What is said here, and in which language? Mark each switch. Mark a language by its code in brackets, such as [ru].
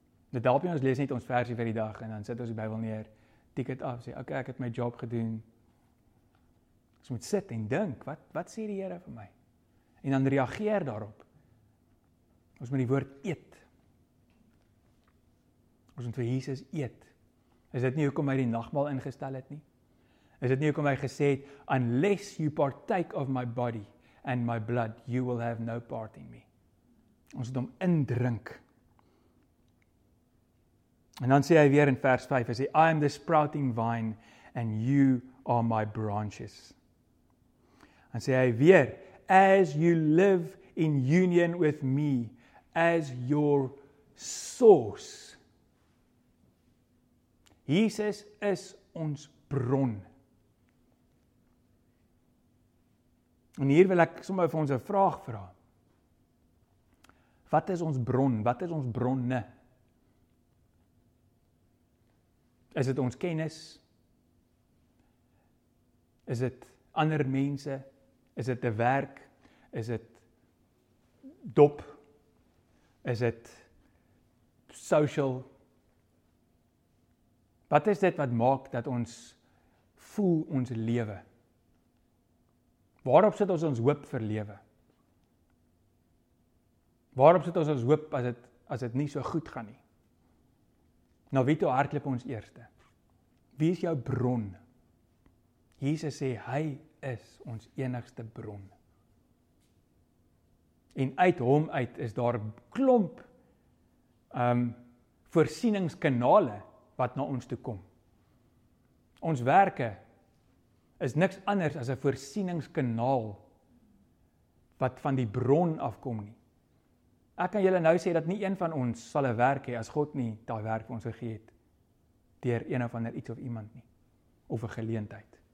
[af] Dit help jy ons lees net ons versie vir die dag, en dan sit ons die Bybel neer, tik dit af, sê, okay, ek het my job gedoen. Ons moet sit en dink, wat sê die Here vir my? En dan reageer daarop. Ons moet die woord eet. Ons moet vir Jesus eet. Is dit nie hoekom hy die nagmaal ingestel het nie? Is dit nie hoekom hy gesê het, [en] unless you partake of my body and my blood, you will have no part in me. [af] Ons moet hom indrink. En dan sê hy weer in vers 5, hy sê, [en] I am the sprouting vine and you are my branches. [af] En sê hy weer, [en] as you live in union with me, as your source, [af] Jesus is ons bron. En hier wil ek sommer vir ons 'n vraag vra. Wat is ons bron? Wat is ons bronne? Is dit ons kennis? Is dit ander mense? Is dit 'n werk? Is dit dop? Is dit social? Wat is dit wat maak dat ons voel ons lewe? Waarop sit ons hoop vir lewe? Waarop sit ons hoop as dit nie so goed gaan nie? Na wie toe hardloop ons eerste? Wie is jou bron? Jesus sê, hy is ons enigste bron. En uit hom uit is daar klomp voorsieningskanale wat na ons toe kom. Ons werke is niks anders as 'n voorsieningskanaal wat van die bron afkom nie. Ek kan julle nou sê dat nie een van ons sal 'n werk hê as God nie daai werk vir ons gegee het deur een of ander iets of iemand nie of 'n geleentheid.